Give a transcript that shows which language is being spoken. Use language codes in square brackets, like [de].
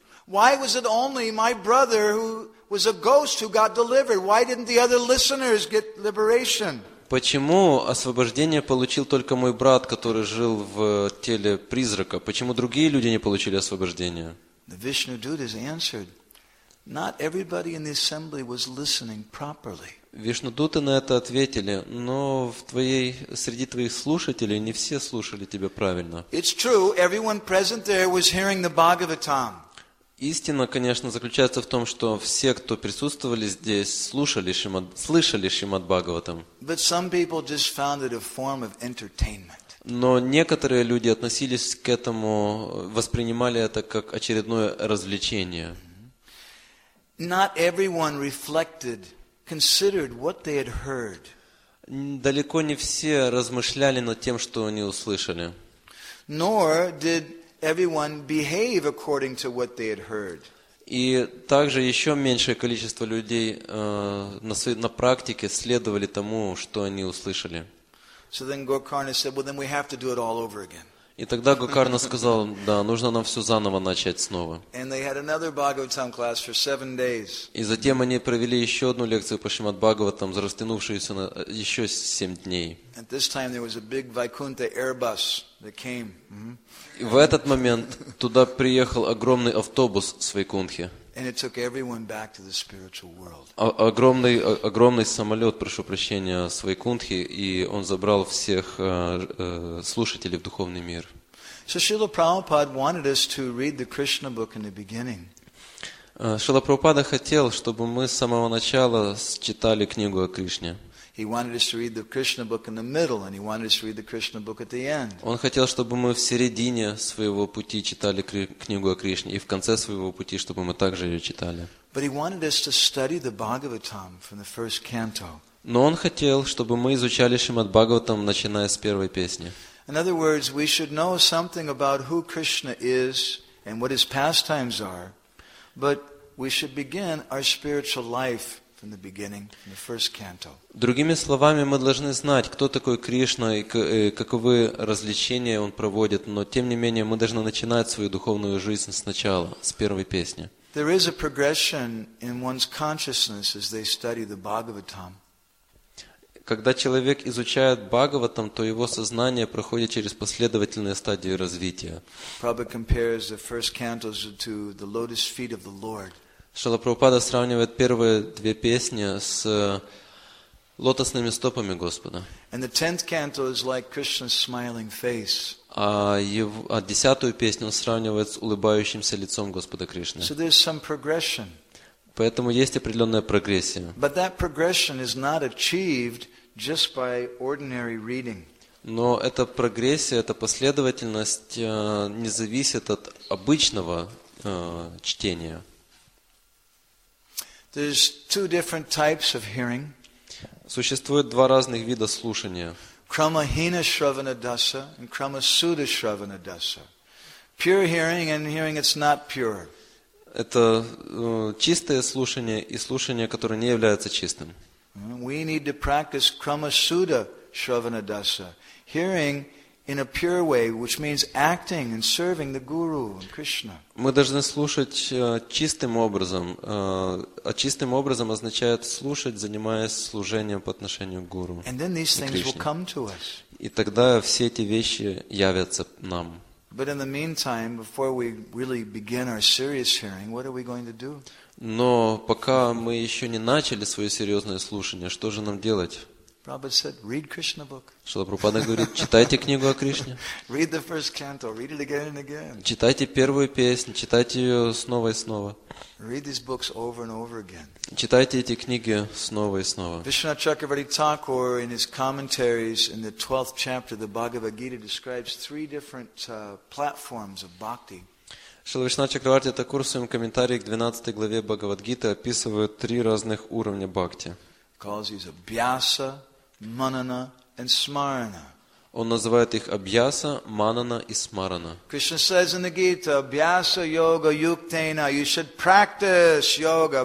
[en] Why was it only my brother who was a ghost who got delivered? Why didn't the other listeners get liberation? [ru] Почему освобождение получил только мой брат, который жил в теле призрака? Почему другие люди не получили освобождение? [en] The Vishnu Dutas answered, not everybody in the assembly was listening properly. [ru] Вишнудуты на это ответили, но в твоей, среди твоих слушателей не все слушали тебя правильно. [en] It's true, everyone present there was hearing the Bhagavatam. [ru] Истина, конечно, заключается в том, что все, кто присутствовали здесь, слышали Шримад Бхагаватам. [en] But some people just found it a form of entertainment. [ru] Но некоторые люди относились к этому, воспринимали это как очередное развлечение. [en] Not everyone reflected, considered what they had heard. [ru] Далеко не все размышляли над тем, что они услышали. [en] Nor did everyone behave according to what they had heard. [ru] И также еще меньшее количество людей на практике следовали тому, что они услышали. [en] So then Gokarna said, "Well, then we have to do it all over again." [ru] И тогда Гокарна сказал, да, нужно нам все заново начать снова. [en] And they had another Bhagavatam class for 7 days. [ru] И затем они провели еще одну лекцию по Шримад Бхагаватам, растянувшуюся на еще 7 дней. [en] At this time there was a big Vaikuntha Airbus that came. [ru] И в этот момент туда приехал огромный автобус с Вайкунтхи. [en] And it took everyone back to the spiritual world. [ru] Огромный самолет, прошу прощения, с Вайкунтхи, и он забрал всех слушателей в духовный мир. [en] So Srila Prabhupada wanted us to read the Krishna book in the beginning. [ru] Srila Prabhupada хотел, чтобы мы с самого начала читали книгу о Кришне. [en] He wanted us to read the Krishna book in the middle, and he wanted us to read the Krishna book at the end. [ru] Он хотел, чтобы мы в середине своего пути читали книгу о Кришне, и в конце своего пути, чтобы мы также ее читали. [en] But he wanted us to study the Bhagavatam from the first canto. [ru] Но он хотел, чтобы мы изучали Шримад Бхагаватам, начиная с первой песни. [en] In other words, we should know something about who Krishna is and what his pastimes are, but we should begin our spiritual life in the beginning, in the first canto. [ru] Другими словами, мы должны знать, кто такой Кришна и каковы развлечения он проводит, но тем не менее мы должны начинать свою духовную жизнь сначала, с первой песни. [en] There is a progression in one's consciousness as they study the Bhagavatam. [ru] Когда человек изучает Бхагаватам, то его сознание проходит через последовательные стадии развития. [en] Prabhupada compares the first cantos to the lotus feet of the Lord. [ru] Шрила Прабхупада сравнивает первые две песни с лотосными стопами Господа. [en] And the 10th canto is like Krishna's smiling face. [ru] А десятую песню он сравнивает с улыбающимся лицом Господа Кришны. [en] So there's some progression. [ru] Поэтому есть определенная прогрессия. [en] But that progression is not achieved just by ordinary reading. [ru] Но эта прогрессия, эта последовательность не зависит от обычного чтения. [en] There's two different types of hearing. [ru] Существует два разных вида слушания. [en] Крамахина шравана даса and крамасуда шравана даса. Pure hearing and hearing it's not pure. [ru] Это чистое слушание и слушание, которое не является чистым. [en] We need to practice крамасуда шравана даса. Hearing in a pure way, which means acting and serving the Guru and Krishna. [ru] Мы должны слушать чистым образом. А чистым образом означает слушать, занимаясь служением по отношению к Гуру. [en] And then these things will come to us. [ru] И тогда все эти вещи явятся нам. [en] But in the meantime, before we really begin our serious hearing, what are we going to do? [ru] Но пока мы еще не начали свое серьезное слушание, что же нам делать? [en] Prabhupada said, read Krishna book. [ru] Шрила Прабхупада говорит, читайте книгу о Кришне. [en] Read the first canto, read it again and again. [ru] Читайте первую песню, читайте ее снова и снова. [en] Read these books over and over again. [ru] Читайте эти книги снова и снова. [en] Vishnu Chakravarti Thakur in his commentaries in the 12th chapter of the Bhagavad Gita describes three different platforms of bhakti. [ru] Шрила Вишнава Чакраварти Такур в своем комментарии к 12 главе Бхагавадгиты описывает три разных уровня бхакти. Бьяса, манана и смарана. Он называет их Абьяса, Манана и Смарана. [en] Krishna says in the Gita, Abhyasa Yoga Yuktena, you should practice yoga.